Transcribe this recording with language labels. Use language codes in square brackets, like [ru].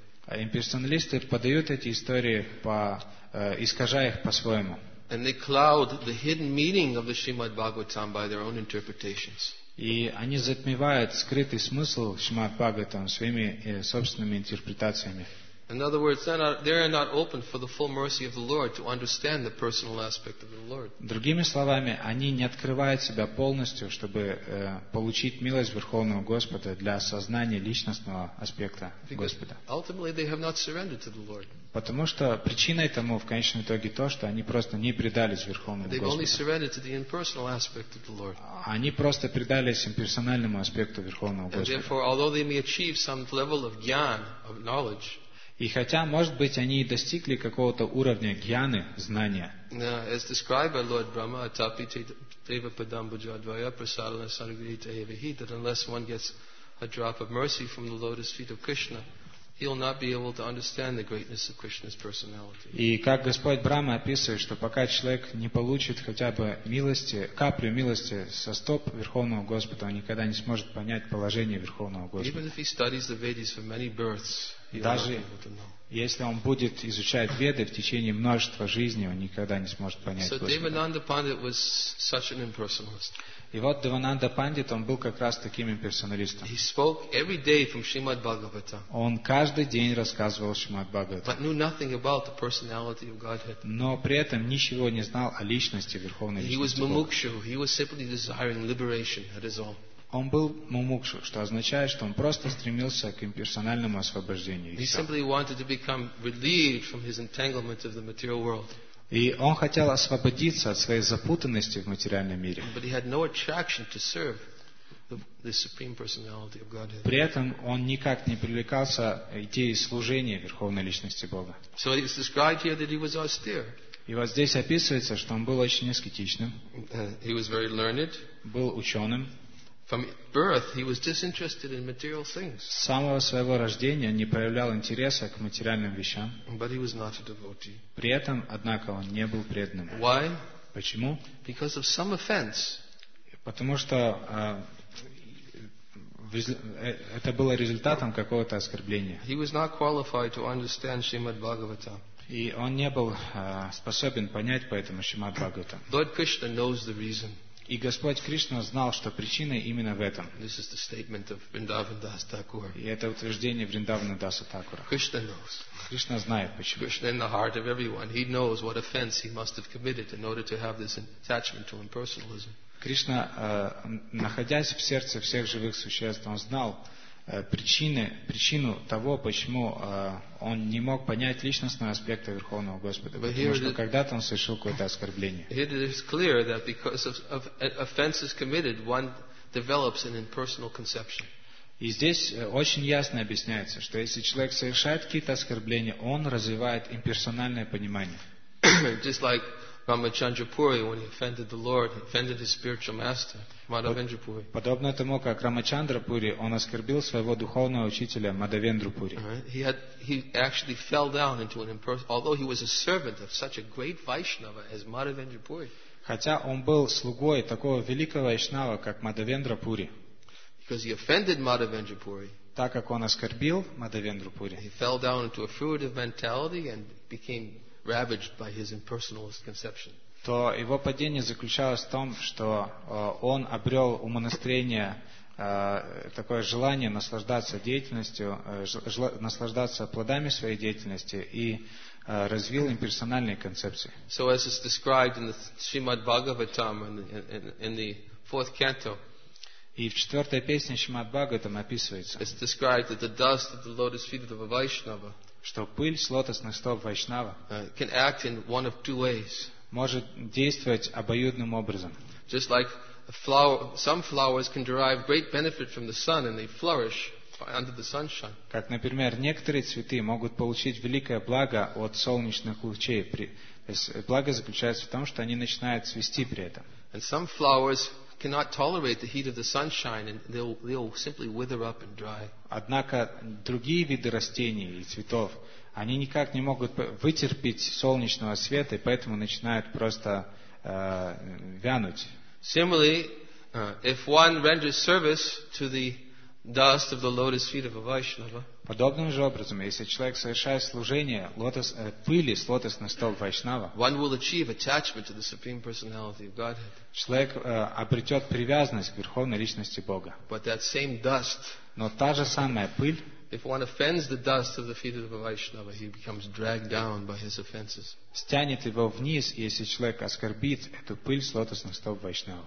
[ru] Имперсоналисты подают эти истории, искажая их по-своему. [en] And they cloud the hidden meaning of the Shrimad Bhagavatam by their own interpretations. [ru] И они затмевают скрытый смысл Шримад Бхагаватам своими собственными интерпретациями. [en] In other words, they are not open for the full mercy of the Lord to understand the personal aspect of the Lord. [ru] Другими словами, они не открывают себя полностью, чтобы получить милость Верховного Господа для осознания личностного аспекта Господа. [en] Ultimately, they have not surrendered to the Lord. [ru] Потому что причиной тому в конечном итоге то, что они просто не предались Верховному Господу. [en] They've only surrendered to the impersonal aspect of the Lord. [ru] Они просто предались имперсональному аспекту Верховного Господа. [en] And therefore, although they may achieve some level of jnana, of knowledge. [ru] И хотя, может быть, они и достигли какого-то уровня гьяны, знания. [en] As described by Lord Brahma, [sa] atapi teva padam bhujadvaya prasadana sanagrita evahi, [en] that unless one gets a drop of mercy from the lotus feet of Krishna, he'll not be able to understand the greatness of Krishna's personality. [ru] И как Господь Брама описывает, что пока человек не получит хотя бы милости, каплю милости со стоп Верховного Господа, он никогда не сможет понять положение Верховного Господа. [en] Even if he studies the Vedas for many births, [ru] даже если он будет изучать Веды в течение множества жизней, он никогда не сможет понять Господа. [en] So Devananda Pandit was such an impersonalist. [ru] И вот Девананда Пандит, он был как раз таким имперсоналистом. [en] He spoke every day from Shrimad Bhagavatam. [ru] Он каждый день рассказывал Шримад Бхагаватам. [en] But knew nothing about the personality of Godhead. [ru] Но при этом ничего не знал о личности Верховной Личности Бога. [en] He was mumukshu. He was simply desiring liberation, that is all. [ru] Он был мумукшу, что означает, что он просто стремился к имперсональному освобождению. [en] He simply wanted to become relieved from his entanglement of the material world. [ru] И он хотел освободиться от своей запутанности в материальном мире. [en] But he had no attraction to serve the supreme personality of Godhead. [ru] При этом он никак не привлекался идее служения Верховной Личности Бога. [en] So it is described here that he was austere. [ru] И вот здесь описывается, что он был очень аскетичным. [en] He was very learned. [ru] Был ученым. [en] From birth, he was disinterested in material things. [ru] С самого своего рождения он не проявлял интереса к материальным вещам. [en] But he was not a devotee. [ru] При этом, однако, он не был преданным. [en] Why? [ru] Почему? [en] Because of some offense. [ru] Потому что это было результатом какого-то оскорбления. [en] He was not qualified to understand Shrimad Bhagavatam. [ru] И он не был способен понять поэтому Шримад Бхагаватам. [en] Lord Krishna knows the reason. [ru] И Господь Кришна знал, что причина именно в этом. [en] This is the statement of Vrindavan Das Thakur. [ru] И это утверждение Вриндавана Даса Такура. [en] Krishna knows. [ru] Кришна знает почему. [en] Krishna in the heart of everyone, he knows what offense he must have committed in order to have this attachment to impersonalism. [ru] Кришна, находясь в сердце всех живых существ, он знал причину того, почему он не мог понять личностного аспекта Верховного Господа, потому что когда-то он совершил какое-то оскорбление. [en] It is clear that because of offenses committed, one develops an impersonal conception. [ru] И здесь очень ясно объясняется, что если человек совершает какие-то оскорбления, он развивает имперсональное понимание. [en] Just like Ramachandra Puri, when he offended the Lord, he offended his spiritual master, Madhavendra Puri. [ru] Подобно тому, как Рамачандра Пури, он оскорбил своего духовного учителя Мадхавендру Пури. [en] He actually fell down into an impersonal, although he was a servant of such a great Vaishnava as Madhavendra Puri. [ru] Хотя он был слугой такого великого Вайшнава, как Мадхавендра Пури. [en] Because he offended Madhavendra Puri. [ru] Так как он оскорбил Мадхавендру Пури. [en] He fell down into a fruitive mentality and became ravaged by his impersonalist conception. [ru] То его падение заключалось в том, что он обрел умонастроение, такое желание наслаждаться деятельностью, наслаждаться плодами своей деятельности и развил имперсональные концепции. [en] So as is described in the Srimad Bhagavatam in the fourth canto. [ru] И в четвертой песне Шримад Бхагаватам описывается. [en] It's described that the dust of the lotus feet of a Vaishnava. [ru] Что пыль с лотосных стоп Вайшнава [en] can act in one of two ways. [ru] Может действовать обоюдным образом. [en] Just like a flower, some flowers can derive great benefit from the sun and they flourish under the sunshine. [ru] Как, например, некоторые цветы могут получить великое благо от солнечных лучей. То есть благо заключается в том, что они начинают цвести при этом. [en] And some flowers cannot tolerate the heat of the sunshine and they'll simply wither up and dry. [ru] Однако другие виды растений и цветов, они никак не могут вытерпеть солнечного света и поэтому начинают просто вянуть. [en] Similarly, if one renders service to the dust of the lotus feet of a Vaishnava. [ru] Подобным же образом, если человек совершает служение пыли с лотосных стоп Вайшнава, [en] one will achieve attachment to the Supreme Personality of Godhead. [ru] Человек обретет привязанность к Верховной Личности Бога. [en] But that same dust, [ru] но та же самая пыль, [en] if one offends the dust of the feet of a Vaishnava, he becomes dragged down by his offenses. [ru] Стянет его вниз, если человек оскорбит эту пыль с лотосных стоп Вайшнава.